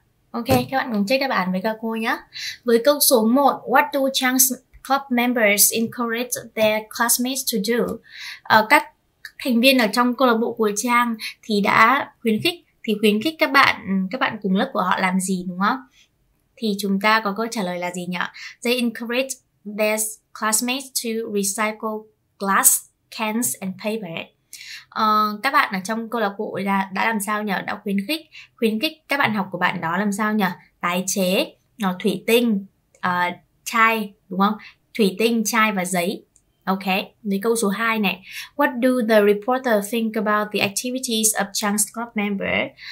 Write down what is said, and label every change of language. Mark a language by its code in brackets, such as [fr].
[vi] Ok, các bạn cùng check đáp án với các cô nhé. Với câu số 1, [en] what do Chang's club members encourage their classmates to do? [vi] Các thành viên ở trong câu lạc bộ của Chang thì đã khuyến khích các bạn cùng lớp của họ làm gì đúng không? Thì chúng ta có câu trả lời là gì nhỉ? [en] They encourage their classmates to recycle glass, cans and paper. [vi] Các bạn ở trong câu lạc bộ đã làm sao nhỉ? Đã khuyến khích các bạn học của bạn đó làm sao nhỉ? Tái chế thủy tinh, chai đúng không? Thủy tinh, chai và giấy. Ok, đến câu số 2 này. [en] What do the reporter think about the activities of Chang's club member?